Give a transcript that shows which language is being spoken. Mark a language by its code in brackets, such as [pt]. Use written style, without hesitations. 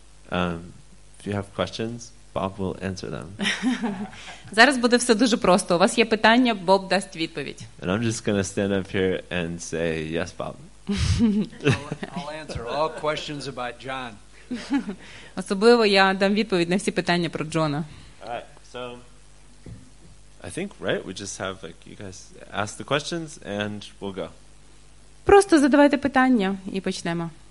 [en] If you have questions, Bob will answer them. [uk] Зараз буде все дуже просто. У вас є питання, Боб дасть відповідь. [en] And I'm just going to stand up here and say, yes, Bob. I'll answer all questions about John. [uk] Особливо я дам відповідь на всі питання про Джона. [en] I think, right, we just have, like, you guys ask the questions and we'll go. [uk] Просто задавайте питання і почнемо.